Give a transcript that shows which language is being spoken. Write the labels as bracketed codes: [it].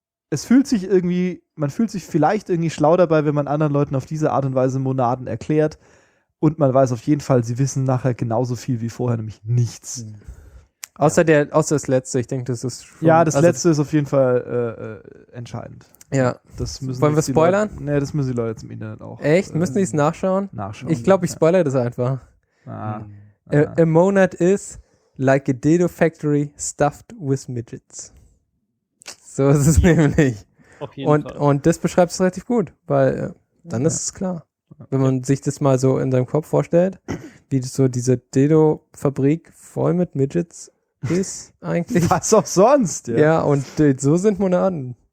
[de] Es fühlt sich irgendwie, man fühlt sich vielleicht irgendwie schlau dabei, wenn man anderen Leuten auf diese Art und Weise Monaden erklärt und man weiß auf jeden Fall, sie wissen nachher genauso viel wie vorher, nämlich nichts. Außer das Letzte, ich denke, das ist schon, ja, das also Letzte ist auf jeden Fall entscheidend. Ja. Das müssen wollen wir spoilern? Nee, das müssen die Leute jetzt im Internet auch. Echt? Müssen die es nachschauen? Nachschauen. Ich glaube, ich spoilere das einfach. Ah. [en] A Monad is like a dildo factory stuffed with midgets. [de] So ist es nämlich. Auf jeden Fall. Und das beschreibt es relativ gut, weil dann ist es klar. Wenn man sich das mal so in seinem Kopf vorstellt, wie so diese Dildo-Fabrik voll mit Midgets ist eigentlich. Was auch sonst, ja. Ja, und so sind Monaden.